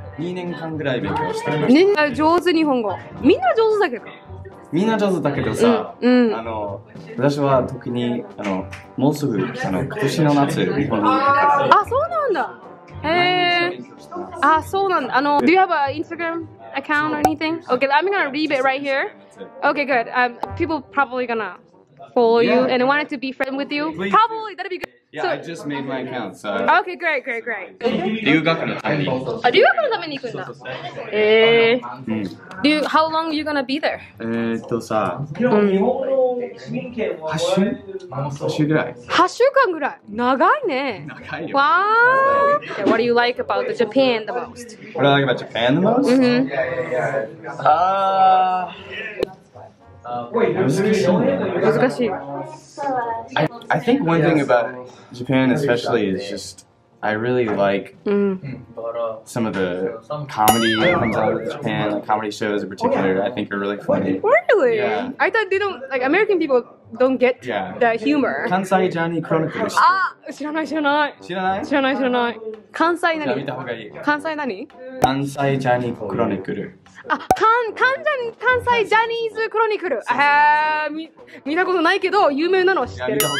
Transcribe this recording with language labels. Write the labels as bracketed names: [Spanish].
[Japanese] 2年間ぐらい勉強してました。ね、上手日本語。みんな上手だけど。みんな上手だけどさ、私は特にもうすぐ今年の夏日本に行くから。あ、そうなんだ。へえ。あ、そうなんだ。 [English] Do you have an Instagram account or anything? Okay, I'm gonna leave it right here. Okay, good. People probably gonna follow you and wanted to be friend with you. Probably that'd be good. Yeah, so, I just made my account, so... Okay, great, great, great. [Japanese] 留学のために行くんだ。 [English] How long are you gonna be there? [Japanese] さ、8週 ?8 週ぐらい。 8週間ぐらい。長いね。長いよ。 [English] What do you like about the Japan the most? What do I like about Japan the most? I think one thing about Japan especially is just I really like some of the comedy that comes out of Japan, like comedy shows in particular, I think are really funny. Really? Yeah. I thought they don't, like American people don't get the humor. Kansai Johnny Chronicles. Ah! [Japanese] 知らない知らない知らない知らない知らない関西何関西何関西ジャニークロニクル。あ、関西ジャニーズクロニクル。そうそうそう見たことないけど、有名なの知ってる。